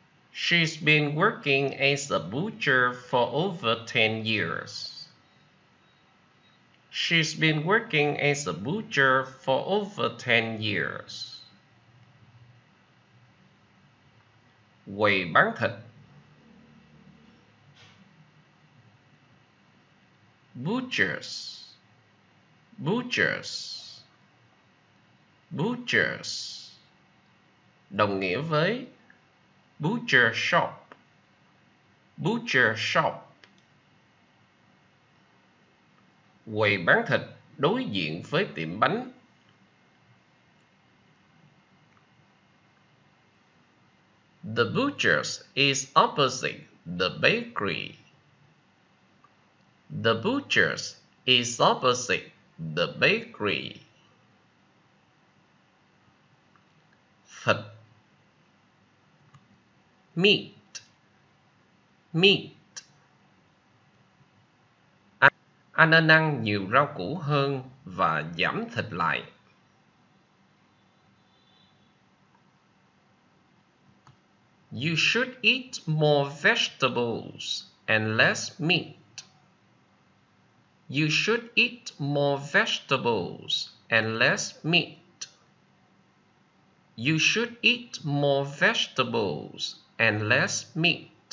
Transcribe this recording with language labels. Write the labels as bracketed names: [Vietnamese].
[English] She's been working as a butcher for over 10 years. She's been working as a butcher for over 10 years. [Vietnamese] Quầy bán thịt [English] Butchers Butchers Butchers [Vietnamese] Đồng nghĩa với [English] Butcher shop Butcher shop [Vietnamese] Quầy bán thịt đối diện với tiệm bánh [English] The butcher's is opposite the bakery. The butcher's is opposite the bakery. [Vietnamese] Thịt [English] Meat Meat [Vietnamese] Anh nên ăn nhiều rau củ hơn và giảm thịt lại. [English] You should eat more vegetables and less meat. You should eat more vegetables and less meat. You should eat more vegetables and less meat.